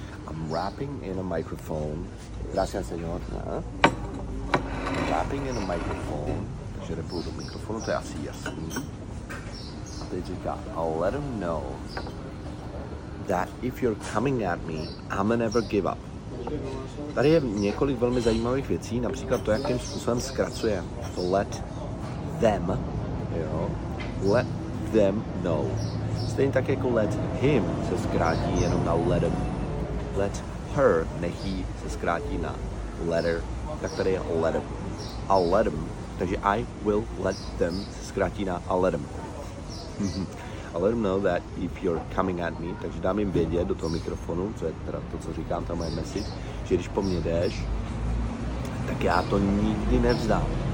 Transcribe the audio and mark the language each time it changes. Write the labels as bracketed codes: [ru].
[en] I'm rapping in a microphone. [es] Gracias, señor. [en] Rapping in a microphone. [cs] Takže repuju do mikrofonu, to je asi jasný. A teď říká, [en] I'll let him know that if you're coming at me, I'm never give up. [cs] Tady je několik velmi zajímavých věcí, například to, jakým způsobem zkracuje to let them, jo, [en] let them know. [cs] Stejně tak jako let him se zkrátí jenom na let him. Let her, nech jí, se zkrátí na letter, tak tady je let him. [en] I'll let him, takže I will let them [cs] se zkrátí na [en] I'll let him. I'll let him know that if you're coming at me, [cs] takže dám jim vědět do toho mikrofonu, co je teda to, co říkám, ta moje message, že když po mně jdeš, tak já to nikdy nevzdám.